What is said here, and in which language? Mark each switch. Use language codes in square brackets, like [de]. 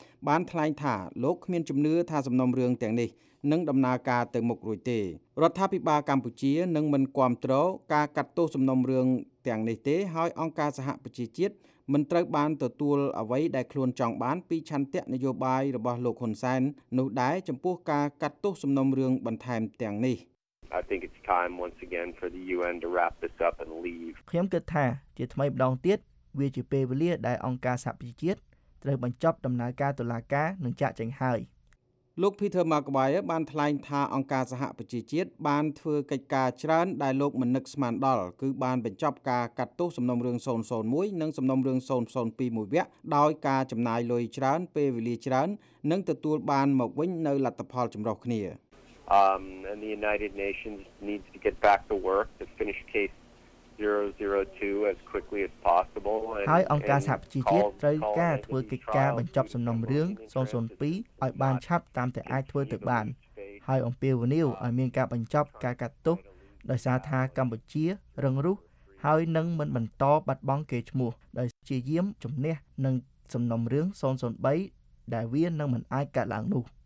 [km] បានថ្លែងថាលោកគ្មានជំនឿថាសំណុំរឿងទាំងនេះនឹងដំណើរការទៅមុខរួចទេរដ្ឋាភិបាលកម្ពុជានឹងមិនគាំទ្រការកាត់ទោសសំណុំរឿងទាំងនេះទេហើយអង្គការសហប្រជាជាតិមិនត្រូវបានទទួលអ្វីដែលខ្លួនចង់បានពីឆន្ទៈនយោបាយរបស់លោកហ៊ុនសែននោះដែរចំពោះការកាត់ទោសសំណុំរឿងបន្ថែមទាំងនេះ [en] I think it's time once again for the UN to wrap this up and leave. [km] ខ្ញុំគិតថាជាថ្មីម្ដងទៀតវាជាពេលវេលាដែលអង្គការសហប្រជាជាតិត្រូវបញ្ចប់ដំណើរការតុលាការនិងចាកចេញហើយ ។លោក Peter Maguire បានថ្លែងថាអង្គការសហប្រជាជាតិបានធ្វើកិច្ចការច្រើនដែលលោកមិននឹកស្មានដល់គឺបានបញ្ចប់ការកាត់ទោសសំណុំរឿង001និងសំណុំរឿង002មួយវគ្គដោយការចំណាយលុយច្រើនពេលវេលាច្រើននិងទទួលបានមកវិញនៅលទ្ធផលចម្រុះគ្នា។ [en] And the United Nations needs to get back to work to finish case 002 as quickly as possible. [km] ហើយអង្គការសហប្រជាជាតិត្រូវការធ្វើកិច្ចការបញ្ចប់សំណុំរឿង002ឲ្យបានឆាប់តាមតែអាចធ្វើទៅបានហើយអំពាវនាវឲ្យមានការបញ្ចប់ការកាត់ទោសដោយសារថាកម្ពុជារងរុះហើយនឹងមិនបន្តបាត់បង់គេឈ្មោះដោយជាយាមជំនះនឹងសំណុំរឿង003ដែលវានឹងមិនអាចកើតឡើងនោះ